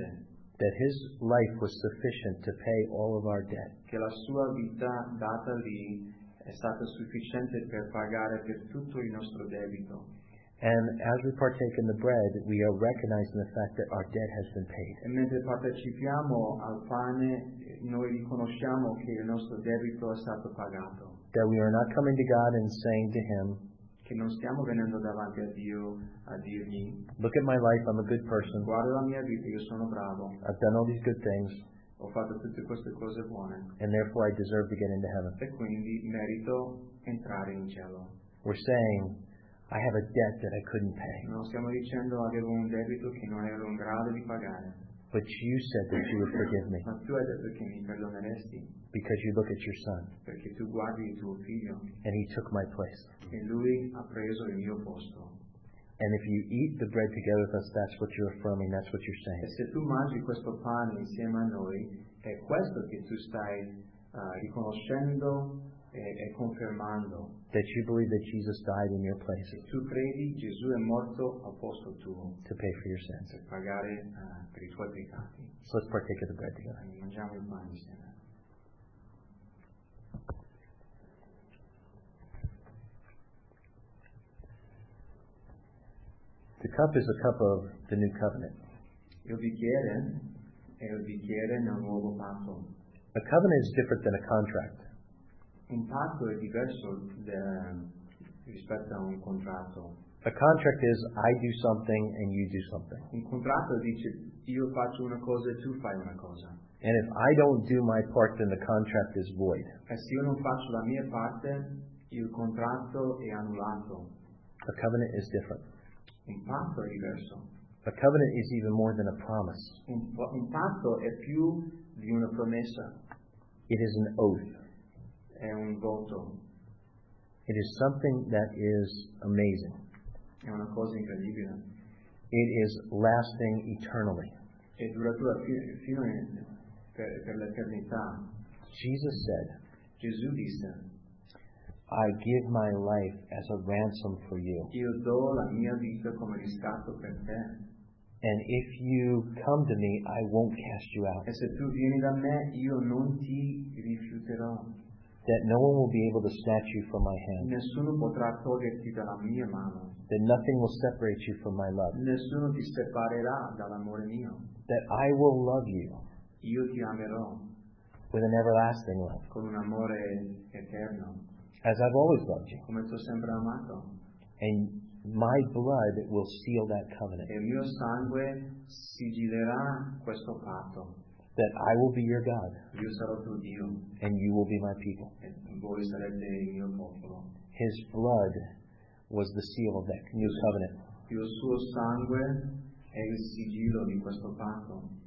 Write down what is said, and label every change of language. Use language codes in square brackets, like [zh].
[en] That his life was sufficient to pay all of our debt. [it] Che la sua vita data lì è stata sufficiente per pagare per tutto il nostro debito. [en] And as we partake in the bread, we are recognizing the fact that our debt has been paid. [it] E mentre partecipiamo al pane, noi riconosciamo che il nostro debito è stato pagato. [en] That we are not coming to God and saying to him, [it] che non stiamo venendo davanti a Dio a dirgli, [en] look at my life, I'm a good person. [it] Guarda la mia vita, io sono bravo. [en] I've done all these good things. [it] Ho fatto tutte queste cose buone. [en] And therefore I deserve to get into heaven. [it] E quindi merito entrare in cielo. [en] We're saying, I have a debt that I couldn't pay. [it] No, stiamo dicendo, avevo un debito che non ero in grado di pagare. [en] But you said that you would forgive me. [it] Ma tu hai detto che mi perdoneresti. [en] Because you look at your son. [it] Perché tu guardi il tuo figlio. [en] And he took my place. [it] E lui ha preso il mio posto. [en] And if you eat the bread together with us, that's what you're affirming, that's what you're saying. [it] E se tu mangi questo pane insieme a noi, è questo che tu stai riconoscendo e confermando. [en] That you believe that Jesus died in your place. [it] Tu credi Gesù è morto al posto tuo. [en] To pay for your sins. [it] Per pagare per i tuoi peccati. [en] So let's partake of the bread together. [it] E mangiamo il pane insieme. [en] The cup is a cup of the new covenant. [it] Il bicchiere è il bicchiere nel nuovo patto. [en] A covenant is different than a contract. [it] Un patto è diverso rispetto a un contratto. [en] A contract is I do something and you do something. [it] Un contratto dice io faccio una cosa e tu fai una cosa. [en] And if I don't do my part, then the contract is void. [it] E se io non faccio la mia parte, il contratto è annullato. [en] A covenant is different. [it] impatto è diverso. [en] A covenant is even more than a promise. [it] Un patto è più di una promessa. [en] It is an oath. [it] È un voto. [en] It is something that is amazing. [it] È una cosa incredibile. [en] It is lasting eternally. [it] È duratura fino per l'eternità. [en] Jesus said, [it] Gesù disse, [en] I give my life as a ransom for you. [it] Io do la mia vita come riscatto per te. [en] And if you come to me, I won't cast you out. [it] E se tu vieni da me, io non ti rifiuterò. [en] That no one will be able to snatch you from my hand. [it] Nessuno potrà toglierti dalla mia mano. [en] That nothing will separate you from my love. [it] Nessuno ti separerà dall'amore mio. [en] That I will love you. [it] Io ti amerò. [en] With an everlasting love. [it] Con un amore eterno. [en] As I've always loved you. [it] Come ti ho sempre amato. [en] And my blood will seal that covenant. [it] E il mio sangue sigillerà questo patto. [en] That I will be your God. [it] Io sarò tuo Dio. [en] And you will be my people. [it] E voi sarete il mio popolo. [en] His blood was the seal of that new covenant. [it] Il suo sangue è il sigillo di questo patto.